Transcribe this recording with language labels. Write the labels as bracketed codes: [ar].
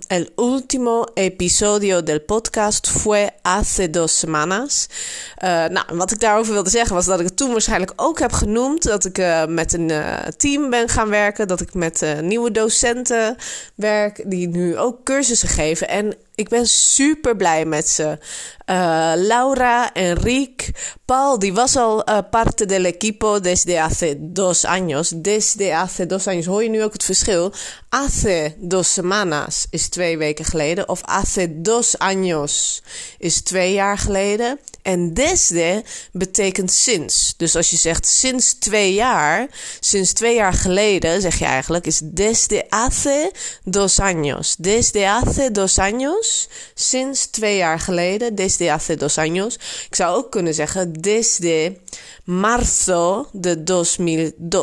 [es] El último episodio del podcast fue hace dos semanas. [nl] Nou, wat ik daarover wilde zeggen was dat ik het toen waarschijnlijk ook heb genoemd. Dat ik met een team ben gaan werken. Dat ik met nieuwe docenten werk die nu ook cursussen geven. En ik ben super blij met ze. [es] Laura, Enrique, Paul, [nl] die was al [es] parte del equipo desde hace dos años. Desde hace dos años, [nl] hoor je nu ook het verschil? [es] Hace dos semanas [nl] is twee weken geleden. Of [es] hace dos años [nl] is twee jaar geleden. En desde betekent sinds. Dus als je zegt sinds twee jaar geleden, zeg je eigenlijk, is [es] desde hace dos años. Desde hace dos años, [nl] sinds twee jaar geleden, [es] desde hace dos años. [nl] Ik zou ook kunnen zeggen [es] desde marzo de 2002.